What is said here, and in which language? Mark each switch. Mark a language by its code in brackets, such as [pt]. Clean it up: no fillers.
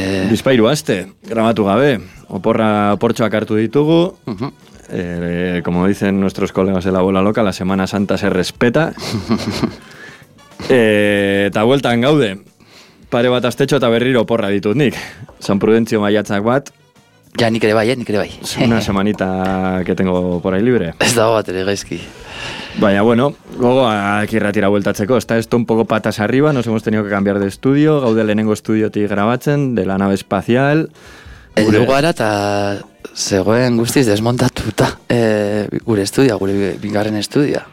[eu] Bizpairu aste, grabatu gabe. Oporra, oportxoak hartu ditugu. [es] Como dicen nuestros colegas de la bola loca, la Semana Santa se respeta. [eu] Eta bueltan gaude. Pare bat astetxo eta berriro oporra ditut nik. San Prudentzio maiatzak bat. Ja, nik ere bai, nik ere bai. [es] Una semanita que tengo por ahí libre. [eu] Ez dago bat ere gaizki. Baina, bueno, gogoa kirratira bueltatzeko. [es] Esta esto un poco patas arriba, nos hemos tenido que cambiar de estudio. [eu] Gaude lehenengo estudiotik grabatzen, [es] de la nave espacial. El lugara [eu] eta zegoen guztiz desmontatuta gure estudia, gure bingarren estudia.